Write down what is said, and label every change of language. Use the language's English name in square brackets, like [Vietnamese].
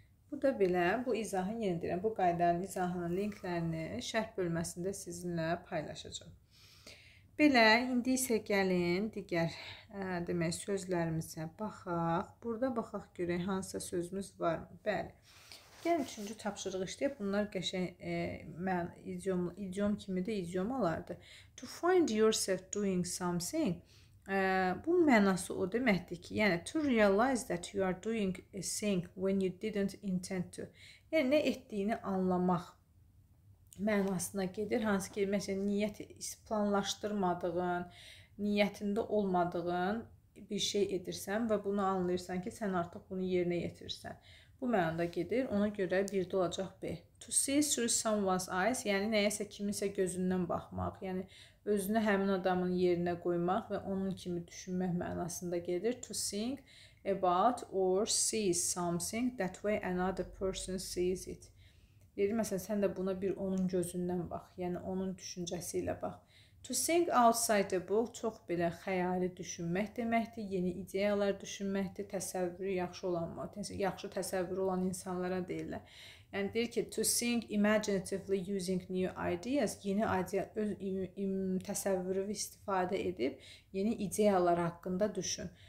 [Azerbaijani] Bu da belə, bu izahı yenə deyirəm, bu qaydanın izahının linklərini şərh bölməsində sizinlə paylaşacağım. Belə, indi isə gəlin digər demək, sözlərimizə baxaq. Burada baxaq görək, hansısa sözümüz var mı? Bəli. Gəlin, üçüncü tapşırıq işləyək. Bunlar qəşək, idiom kimi də idiom alardı. [English] To find yourself doing something. [Azerbaijani] Bu mənası o deməkdir ki, yəni [English] to realize that you are doing a thing when you didn't intend to. [Azerbaijani] Yəni, nə etdiyini anlamaq mənasına gedir. Hansı ki, məsələn, niyyət planlaşdırmadığın, niyyətində olmadığın bir şey edirsən və bunu anlayırsan ki, sən artıq bunu yerinə yetirirsən. Bu mənada gedir. Ona görə bir də olacaq B. [English] To see through someone's eyes, [Azerbaijani] yəni nəyəsə kiminsə gözündən baxmaq, yəni özünü həmin adamın yerinə qoymaq və onun kimi düşünmək mənasında gedir. [English] To think about or see something that way another person sees it. [Azerbaijani] Deyir, məsələn, sən də buna bir onun gözündən bax, yəni onun düşüncəsi ilə bax. [English] To think outside the book [Azerbaijani] çox belə xəyali düşünmək deməkdir, yeni ideyalar düşünməkdir, təsəvvürü yaxşı olan, yaxşı təsəvvürü olan insanlara deyirlər. Yəni, deyir ki, [English] to think imaginatively using new ideas, [Azerbaijani] yeni idea, öz təsəvvürü istifadə edib yeni ideyalar haqqında düşün.